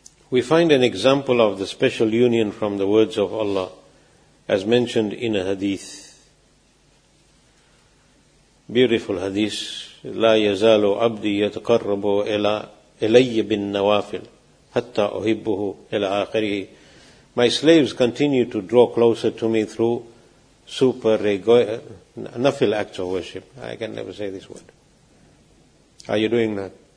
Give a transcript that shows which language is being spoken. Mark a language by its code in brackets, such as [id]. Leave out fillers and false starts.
[en] We find an example of the special union from the words of Allah as mentioned in a hadith. Beautiful hadith. [ar] لا يزال عبدي يتقرب إلي بالنوافل حتى أحبه إلى آخره. [en] My slaves continue to draw closer to me through nafil acts of worship. I can never say this word. Are you doing that?